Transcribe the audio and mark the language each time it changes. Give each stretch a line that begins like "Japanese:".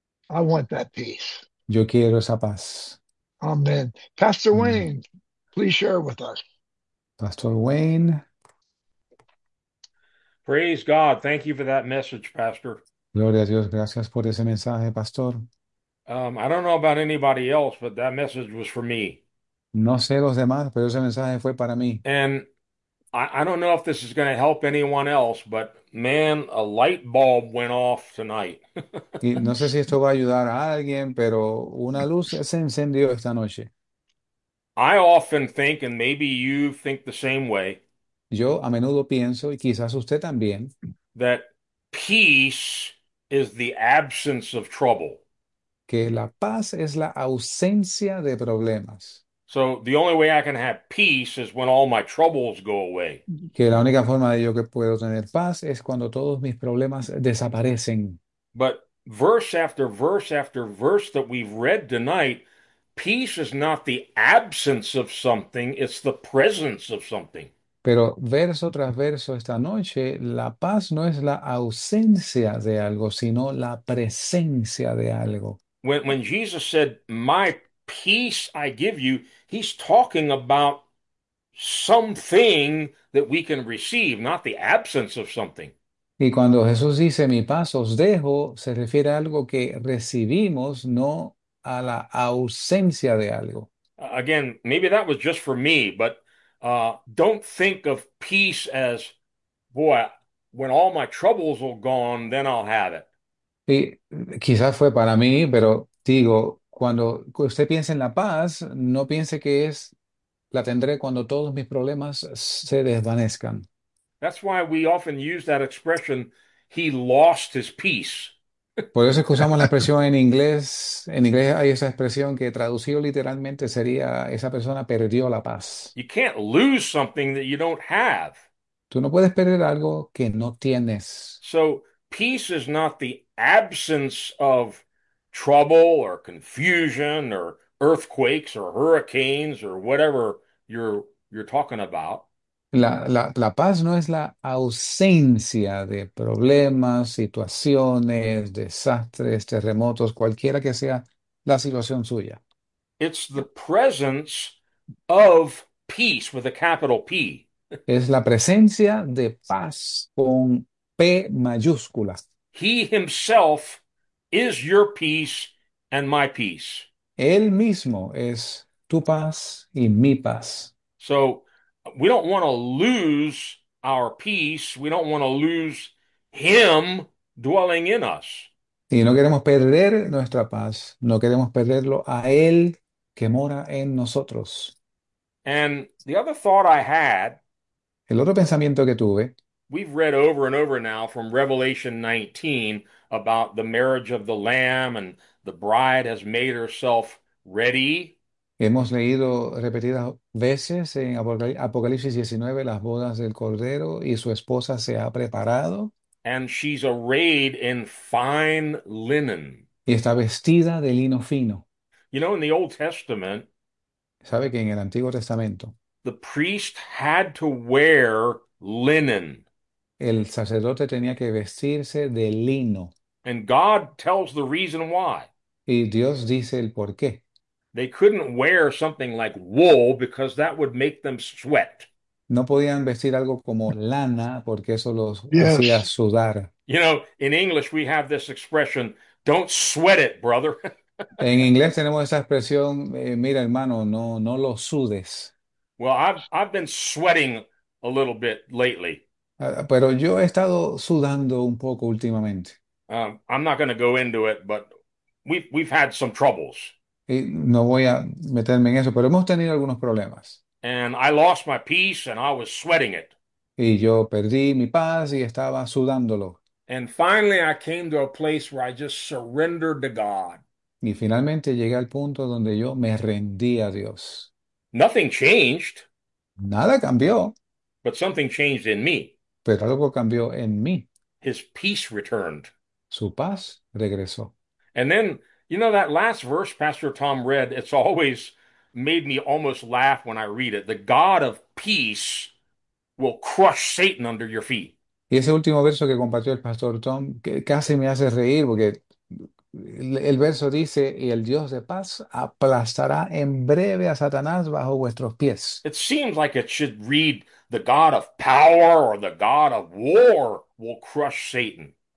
English: I want that peace.
Spanish: Yo quiero esa paz.
English: Amen. Pastor Wayne, please share with us. Pastor Wayne. Praise God. Thank you for that message, Pastor.
Spanish: Gloria a Dios, gracias por ese mensaje, pastor.
English: I don't know about anybody else, but that message was for me.
Spanish: No sé los demás, pero ese mensaje fue para mí.
English: And I don't know if this is going to help anyone else, but man, a light bulb went off tonight.
Spanish: Y no sé si esto va a ayudar a alguien, pero una luz se encendió esta noche.
English: I often think, and maybe you think the same way,
Spanish: Yo a menudo pienso, y quizás usted también,
English: that peace is the absence of trouble.
Spanish: que la paz es la ausencia de problemas.
English: So the only way I can have peace is when all my troubles go away.
Spanish: Que la única forma de yo que puedo tener paz es cuando todos mis problemas desaparecen.
English: But verse after verse after verse that we've read tonight, peace is not the absence of something, it's the presence of something.
Spanish: Pero verso tras verso esta noche, la paz no es la ausencia de algo, sino la presencia de algo.
English: When Jesus said, "My peace I give you," he's talking about something that we can receive, not the absence of something.
Spanish: Y cuando Jesús dice, mi paz os dejo, se refiere a algo que recibimos, no a la ausencia de algo.
English: Again, maybe that was just for me, but don't think of peace as, boy, when all my troubles are gone, then I'll have it.
Spanish: Y quizás fue para mí, pero digo, cuando usted piense en la paz, no piense que es, la tendré cuando todos mis problemas se desvanezcan.
English: That's why we often use that expression, he lost his peace.
Spanish: Por eso es que usamos la expresión en inglés. En inglés hay esa expresión que traducido literalmente sería, esa persona perdió la paz.
English: You can't lose something that you don't have.
Spanish: Tú no puedes perder algo que no tienes.
English: So, peace is not the absence of trouble or confusion or earthquakes or hurricanes or whatever you're talking about.
Spanish: La paz no es la ausencia de problemas, situaciones, desastres, terremotos, cualquiera que sea la situación suya.
English: It's the presence of peace with a capital P.
Spanish: Es la presencia de paz con P mayúscula.
English: He himself is your peace and my peace.
Spanish: Él mismo es tu paz y mi paz.
English: So we don't want to lose our peace. We don't want to lose him dwelling in us.
Spanish: Y no queremos perder nuestra paz, no queremos perderlo a Él que mora en nosotros.
English: And the other thought I had,
Spanish: El otro pensamiento que tuve,
English: we've read over and over now from Revelation 19 about the marriage of the Lamb and the bride has made herself ready.
Spanish: hemos leído repetidas veces en Apocalipsis 19 las bodas del Cordero y su esposa se ha preparado.
English: And she's arrayed in fine linen.
Spanish: Y está vestida de lino fino.
English: You know, in the Old Testament,
Spanish: ¿Sabe que en el Antiguo Testamento
English: the priest had to wear linen.
Spanish: el sacerdote tenía que vestirse de lino?
English: And God tells the reason why.
Spanish: Y Dios dice el por qué.
English: They couldn't wear something like wool because that would make them sweat.
Spanish: No podían vestir algo como lana porque eso los hacía
English: Yes.
Spanish: sudar.
English: In English we have this expression, don't sweat it, brother.
Spanish: En inglés tenemos esa expresión, mira, hermano, no lo sudes.
English: Well, I've been sweating a little bit lately.
Spanish: Pero yo he estado sudando un poco últimamente.
English: I'm not going to go into it, but we've had some troubles.
Spanish: Y no voy a meterme en eso, pero hemos tenido algunos problemas.
English: And I lost my peace and I was sweating it.
Spanish: Y yo perdí mi paz y estaba sudándolo.
English: And finally, I came to a place where I just surrendered to God.
Spanish: Y finalmente llegué al punto donde yo me rendí a Dios.
English: Nothing changed,
Spanish: Nada cambió,
English: but something changed in me.
Spanish: pero algo cambió en mí.
English: His peace returned.
Spanish: Su paz regresó.
English: And then, that last verse Pastor Tom read, it's always made me almost laugh when I read it. The God of peace will crush Satan under your feet.
Spanish: Y ese último verso que compartió el pastor Tom, que casi me hace reír porque el verso dice, y el Dios de paz aplastará en breve a Satanás bajo vuestros pies.
English: It seems like it should read, the God of power or the God of war will crush Satan.